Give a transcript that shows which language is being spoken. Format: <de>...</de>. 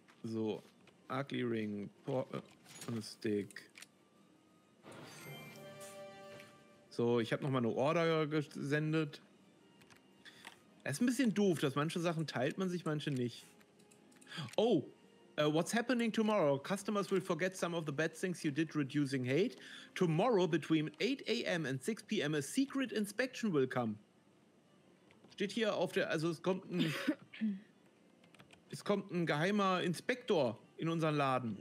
<de>So. Ugly Ring. Und Stick. So, ich habe nochmal eine Order gesendet. Es ist ein bisschen doof, dass manche Sachen teilt man sich, manche nicht.</de> <en>Oh, what's happening tomorrow? Customers will forget some of the bad things you did reducing hate. Tomorrow between 8 a.m. and 6 p.m. a secret inspection will come.</en> <de>Steht hier auf der, also es kommt ein geheimer Inspektor in unseren Laden.</de>